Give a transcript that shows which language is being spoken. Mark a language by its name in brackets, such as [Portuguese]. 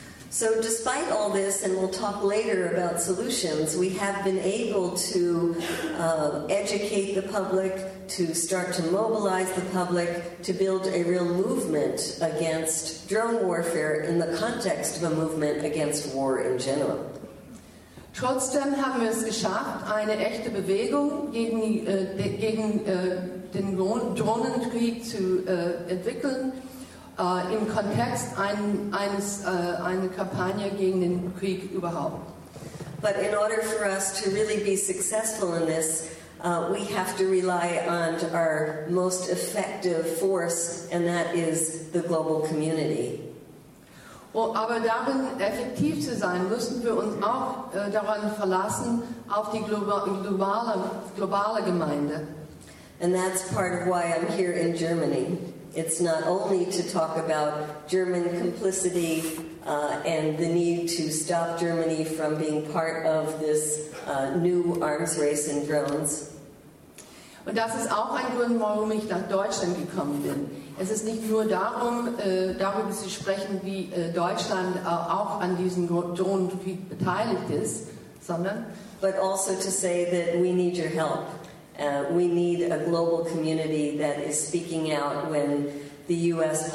[English] So despite all this, and we'll talk later about solutions, we have been able to educate the public, to start to mobilize the public, to build a real movement against drone warfare in the context of a movement against war in general. [German] Trotzdem haben wir es geschafft, eine echte Bewegung gegen den Drohnenkrieg zu entwickeln. Im Kontext einer Kampagne gegen den Krieg überhaupt. [English] But in order for us to really be successful in this, we have to rely on our most effective force, and that is the global community. [German] Well, aber darin effektiv zu sein, müssen wir uns auch daran verlassen, auf die globale Gemeinde. [English] And that's part of why I'm here in Germany. It's not only to talk about German complicity and the need to stop Germany from being part of this new arms race in drones. [German] Und das ist auch ein Grund, warum ich nach Deutschland gekommen bin. Es ist nicht nur darum, darüber zu sprechen, wie Deutschland auch an diesem Drohnenkrieg beteiligt ist, sondern... [English] But also to say that we need your help. We need a global community that is speaking out when the U.S.